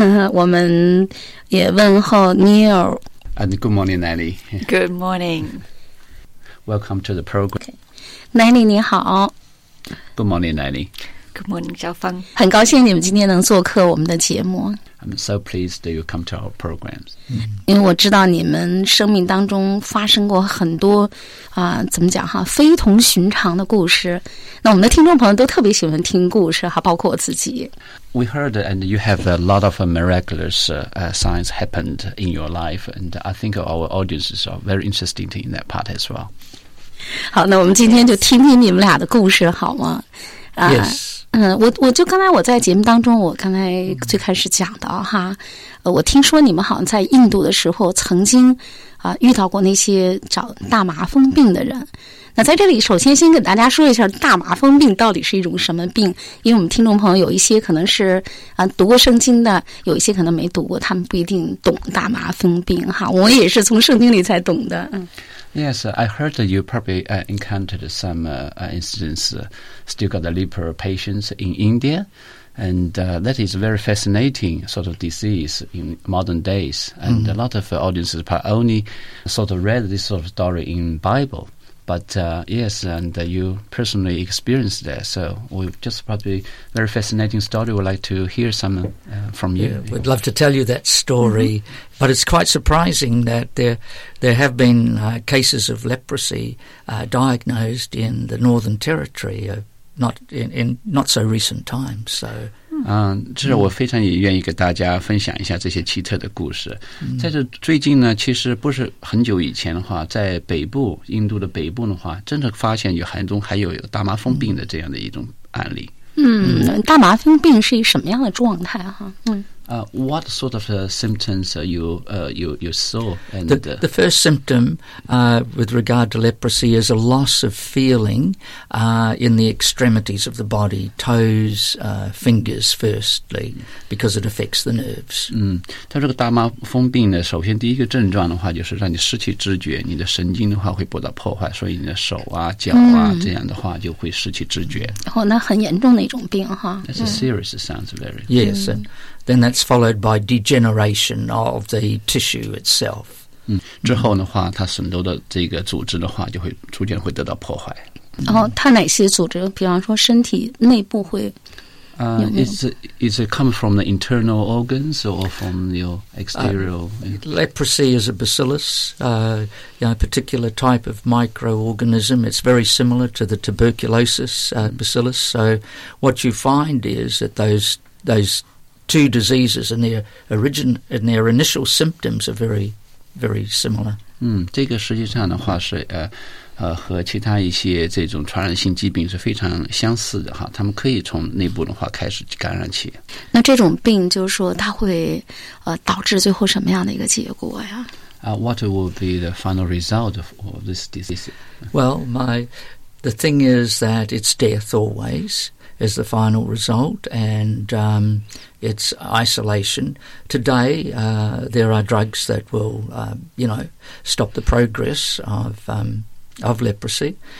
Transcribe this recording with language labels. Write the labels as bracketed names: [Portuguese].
[Chinese] 我们也问候 Neil. [English] And good morning, Nelly. Good morning. Welcome to the program. [Chinese] Nelly, 你好。 [English] Good morning, Nelly. Good morning, 小芳。 [Chinese] 很高兴你们今天能做客我们的节目。 [English] I'm so pleased that you come to our programs. [Chinese] 因为我知道你们生命当中发生过很多怎么讲哈，非同寻常的故事。那我们的听众朋友都特别喜欢听故事哈，包括我自己。 [English] We heard and you have a lot of miraculous signs happened in your life, and I think our audiences are very interested in that part as well. [Chinese] 好，那我们今天就听听你们俩的故事好吗？我就刚才我在节目当中，我刚才最开始讲的哈，我听说你们好像在印度的时候曾经遇到过那些找大麻风病的人。那在这里首先跟大家说一下大麻风病到底是一种什么病，因为我们听众朋友有一些可能是读过圣经的，有一些可能没读过，他们不一定懂大麻风病哈。我也是从圣经里才懂的。 [English] Yes, I heard that you probably encountered some incidents, still got the leper patients in India, and that is a very fascinating sort of disease in modern days. And a lot of audiences only sort of read this sort of story in Bible. But yes, and you personally experienced that. So we've just probably very fascinating story. We'd like to hear some from you. Yeah, we'd love to tell you that story. Mm-hmm. But it's quite surprising that there have been cases of leprosy diagnosed in the Northern Territory not so recent times. So, [Chinese] 这是我非常愿意给大家分享一下这些奇特的故事。在这最近呢，其实不是很久以前的话，在北部印度的北部的话，真的发现有寒中还有大麻风病的这样的一种案例。大麻风病是什么样的状态哈？ [English] What sort of symptoms are you saw? And the first symptom with regard to leprosy is a loss of feeling in the extremities of the body, toes, fingers firstly, because it affects the nerves. [Chinese] 它这个大麻风病呢，首先第一个症状的话就是让你失去知觉，你的神经的话会受到破坏，所以你的手啊、脚啊这样的话就会失去知觉。那很严重的一种病哈。 [English] That's a serious sounds very. Yes. Then that's followed by degeneration of the tissue itself. [Chinese] 之后的话，它很多的这个组织的话，就会逐渐会得到破坏。然后它哪些组织？比方说身体内部会。 [English] Is it come from the internal organs or from your exterior? Leprosy is a bacillus, a particular type of microorganism. It's very similar to the tuberculosis bacillus. So what you find is that those two diseases and their origin and their initial symptoms are very, very similar. [Chinese] 这个实际上的话是和其他一些这种传染性疾病是非常相似的哈，他们可以从内部的话开始感染起。那这种病就是说它会导致最后什么样的一个结果呀？ [English] What will be the final result of this disease? Well, the thing is that it's death always. Is the final result, and it's isolation. Today, there are drugs that will, stop the progress of leprosy.